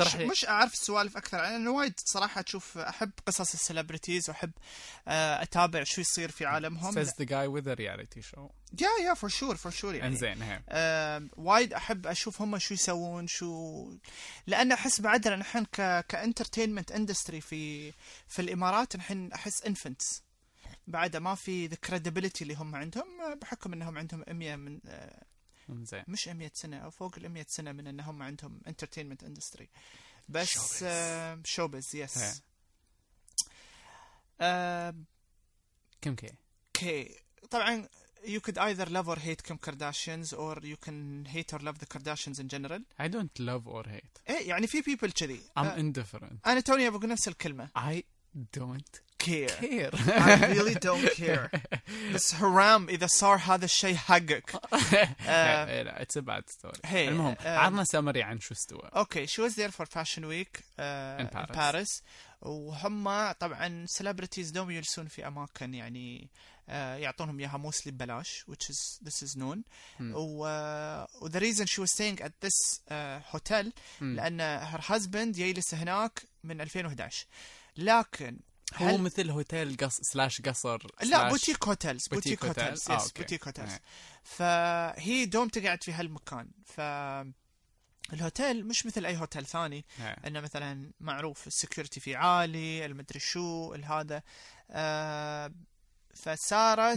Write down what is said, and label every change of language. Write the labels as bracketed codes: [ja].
[ar] مش اعرف السوالف اكثر عني انا وايد صراحه اشوف احب قصص السليبرتيز واحب اتابع شو يصير في عالمهم. [en] Says the guy with the reality show. Yeah yeah for sure for sure [ar] يعني. انزين وايد احب اشوف هم شو يسوون شو لان احس بعدنا نحن كانترتينمنت اندستري في الامارات نحن احس انفنتس بعد ما في ذا كريديبيليتي اللي هم عندهم بحكم انهم عندهم 100 من زين. مش 100 سنة أو فوق 100 سنة من أنهم عندهم [en] entertainment industry [ar] بس [en] showbiz yes [ar] كم كي [en] طبعا you could either love or hate Kim Kardashians or you can hate or love the Kardashians in general. I don't love or hate [ar] إيه يعني في people كذي [en] I'm indifferent. [ar] أنا توني أبغى نفس الكلمة [en] I don't care. I really don't care. [ar] بس حرام إذا صار هذا الشيء حقك. لا [en] it's a bad story. Hey, [ar] المهم عرضنا سامري عن شو استوى. [en] Okay, she was there for Fashion Week in Paris. [ar] وهم طبعا celebrities دوم يلسون في أماكن يعني يعطونهم إياها [en] mostly [ar] ببلاش, [en] which is this is known. و the reason she was staying at this hotel [ar] لأن [en] her husband [ar] يجلس هناك من 2011. لكن هو مثل هوتيل قص سلاش قصر لا بوتيك هوتيلز بوتيك هوتيلز يس بوتيك هوتيلز فهي دوم تقعد في هالمكان فالهوتيل مش مثل اي هوتيل ثاني انه مثلا معروف السكيورتي فيه عالي المدري شو هذا فسارت